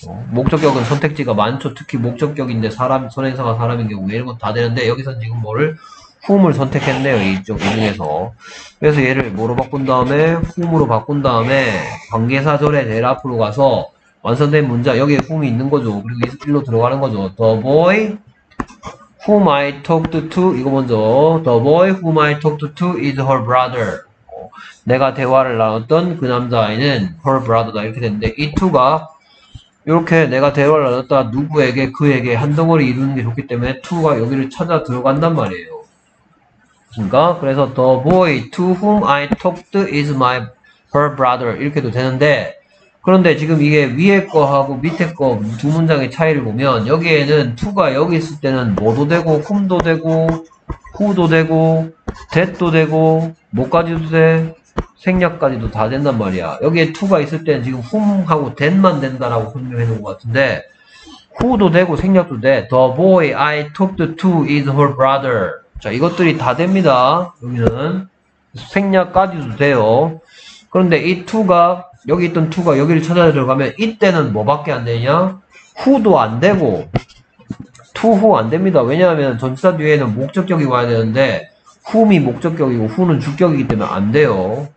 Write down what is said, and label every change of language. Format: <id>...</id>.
<ko>목적격은 선택지가 많죠. 특히 목적격인데 사람, 선행사가 사람인 경우 이런 건다 되는데 여기서 지금 뭐를 whom을 선택했네요. 이쪽 이중에서. 그래서 얘를 뭐로 바꾼 다음에 whom으로 바꾼 다음에 관계사절의 제일 앞으로 가서 완성된 문자 여기에 whom이 있는 거죠. 그리고 이로 들어가는 거죠.</ko> <en>The boy whom I talked to</en> <ko>이거 먼저</ko> <en>The boy whom I talked to is her brother.</en> <ko>내가 대화를 나눴던 그 남자아이는</ko> <en>her brother</en> <ko>다 이렇게 되는데 이 to가 이렇게 내가 대화를 나눴다 누구에게 그에게 한 덩어리 이루는 게 좋기 때문에 to가 여기를 찾아 들어간단 말이에요. 그러니까 그래서</ko> <en>The boy to whom I talked is my her brother</en> <ko>이렇게도 되는데 그런데 지금 이게 위에 거하고 밑에 거두 문장의 차이를 보면 여기에는 to가 여기 있을 때는 뭐도 되고 whom도 되고 who도 되고 that도 되고 뭐까지도 돼 생략까지도 다 된단 말이야. 여기에 to가 있을 때는 지금 whom하고 that만 된다라고 설명해 놓은 것 같은데 who도 되고 생략도 돼.</ko> <en>The boy I talked to is her brother.</en> <ko>자, 이것들이 다 됩니다. 여기는 생략까지도 돼요. 그런데 이 to가 여기 있던 to가 여기를 찾아 들어가면 이때는 뭐밖에 안 되냐? who도 안 되고 to who 안 됩니다. 왜냐하면 전치사 뒤에는 목적격이 와야 되는데 whom이 목적격이고 who는 주격이기 때문에 안 돼요.</ko>